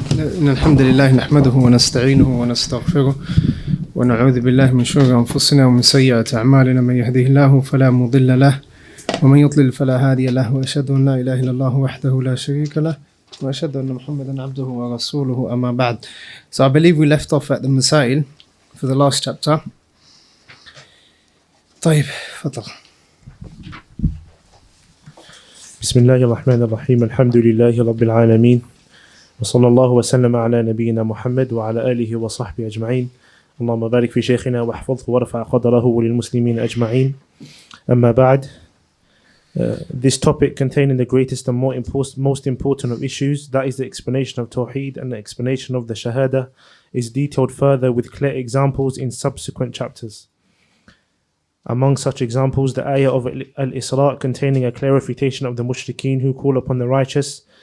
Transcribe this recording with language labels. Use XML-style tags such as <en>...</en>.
<ar>إن الحمد لله نحمده ونستعينه ونستغفره ونعوذ بالله من شرور أنفسنا ومن سيئات أعمالنا من يهده الله فلا مضل له ومن يضلل فلا هادي له وأشهد أن لا إله إلا الله وحده لا شريك له وأشهد أن محمدا عبده ورسوله أما بعد.</ar> <en>So I believe we left off at the Masail for the last chapter.</en> <ar>طيب فضل. بسم الله الرحمن الرحيم الحمد لله رب العالمين وصلى الله وسلم على نبينا محمد وعلى آله وصحبه أجمعين اللهم بارك في شيخنا واحفظه وارفع قدره وللمسلمين أجمعين أما بعد.</ar> <en>This topic containing the greatest and most important of issues, that is the explanation of Tawheed and the explanation of the Shahada, is detailed further with clear examples in subsequent chapters. Among such examples, the ayah of Al-Isra containing a clear refutation of the mushrikeen who call upon the righteous.</en>